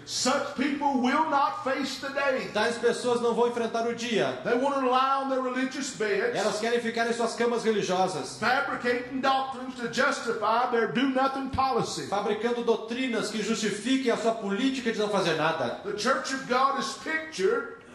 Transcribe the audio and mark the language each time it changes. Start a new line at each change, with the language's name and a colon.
English: Such people will not face.
Portuguese: Tais pessoas não vão enfrentar o dia.
English: They want to lie on their religious beds.
Portuguese: Elas querem ficar em suas camas religiosas.
English: Fabricating doctrines to justify their do-nothing policy.
Portuguese: Fabricando doutrinas que justifiquem a sua política de não fazer nada.
English: The Church of God is pictured.